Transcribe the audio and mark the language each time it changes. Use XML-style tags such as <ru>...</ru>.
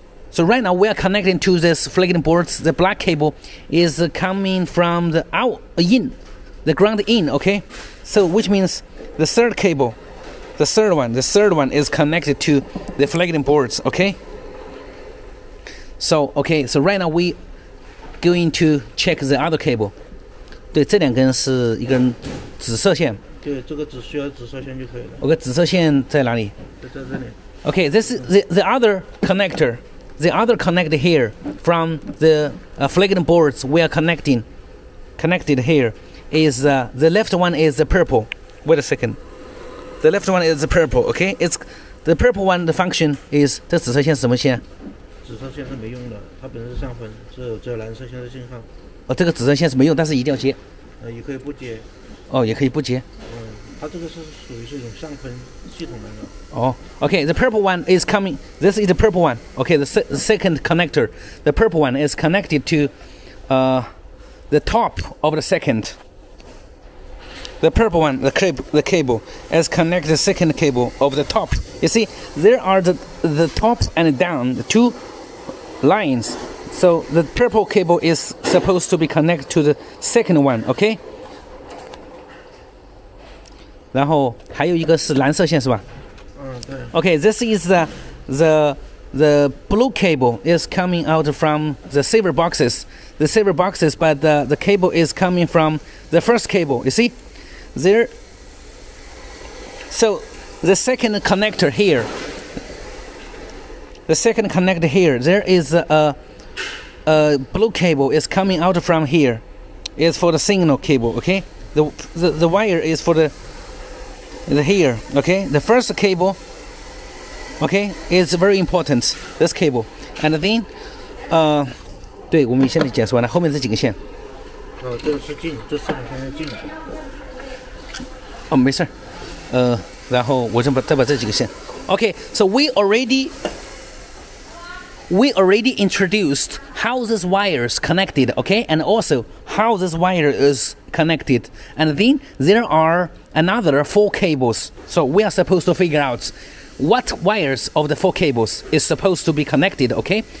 <en>So right now we are connecting to this flagging boards. The black cable is coming from the out in, the ground in, okay? So which means the third cable, the third one is connected to the flagging boards, okay? So right now we going to check the other cable.</en> <zh>对，这两根是一根紫色线。对，这个只需要紫色线就可以了。我个紫色线在哪里？在这里。</zh> <en>Okay, this is the other connector here from the flagging boards we are connecting. Connected here is the left one is the purple. Wait a second. The left one is the purple. Okay, it's the purple one. The function is</en> <zh>这紫色线是什么线？紫色线是没用的，它本身是上分，只有蓝色线是信号。哦，这个紫色线是没用，但是一定要接。也可以不接。哦，也可以不接。嗯，它这个是属于是一种上分系统的。</zh> <en>哦 ，Okay, the purple one is coming. This is the purple one. Okay, the second connector, the purple one is connected to, the top of the second. The purple one, the cable is connected to the second cable of the top. You see, there are the tops and down, the two lines. So the purple cable is supposed to be connected to the second one, okay?</en> <zh>然后还有一个是蓝色线是吧？嗯，对。</zh> <en>Okay, this is the blue cable is coming out from the silver boxes. The silver boxes, but the cable is coming from the first cable. You see? There. So the second connector here. The second connector here. There is a blue cable is coming out from here. It's for the signal cable, okay? The wire is for the here, okay? The first cable, okay, is very important, this cable. And then,</en> <zh>对，我们现在解释完了，后面这几个线。哦，这个是镜，这四根线是镜。哦，没事，然后我再把这几个线。</zh> <en>Okay, so we already introduced how this wire is connected, okay? And also how this wire is connected. And then there are another four cables. So we are supposed to figure out what wires of the four cables is supposed to be connected, okay?</en>